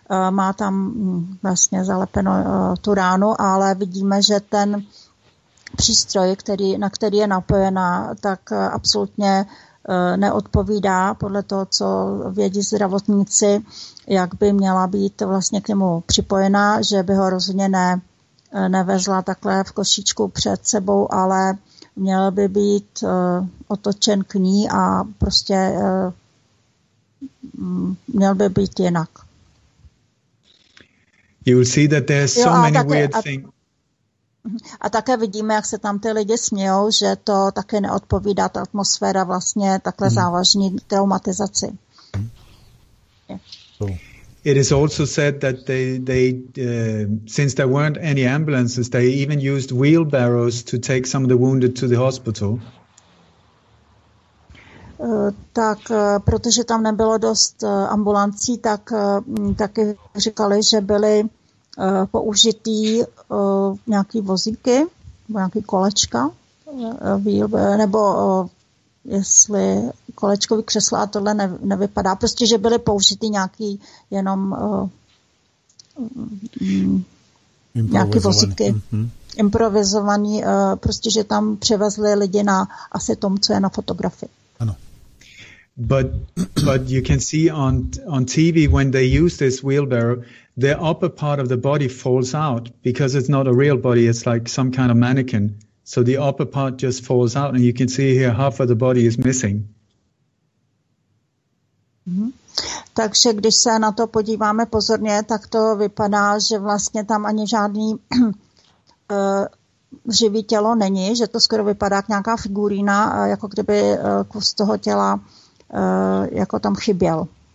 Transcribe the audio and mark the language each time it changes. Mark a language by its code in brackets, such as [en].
[cs] Má tam vlastně zalepeno tu ránu, ale vidíme, že ten přístroj, na který je napojená, tak absolutně neodpovídá podle toho, co vědí zdravotníci, jak by měla být vlastně k němu připojená, že by ho rozhodně nevezla takhle v košíčku před sebou, ale měl by být otočen k ní a prostě měl by být jinak. [en] You will see that there's so many weird things. [cs] A také vidíme, jak se tam ty lidi smějou, že to také neodpovídá ta atmosféra vlastně takhle závažní traumatizaci. [en] It is also said that they since there weren't any ambulances, they even used wheelbarrows to take some of the wounded to the hospital. [cs] Tak protože tam nebylo dost ambulancí, tak taky říkali, že byly použitý nějaký vozíky, nebo nějaký kolečka, nebo jestli kolečkový křesla a tohle nevypadá. Prostě, že byly použitý nějaký jenom nějaký vozíky. Mm-hmm. Improvizovaný, prostě, že tam převezli lidi na asi tom, co je na fotografii. Ano. [en] But you can see on TV when they use this wheelbarrow, the upper part of the body falls out because it's not a real body. It's like some kind of mannequin. So the upper part just falls out and you can see here half of the body is missing. [cs] Takže když se na to podíváme pozorně, tak to vypadá, že vlastně tam ani žádný živý tělo není, že to skoro vypadá jak nějaká figurína, jako kdyby kus toho těla jako tam chyběl.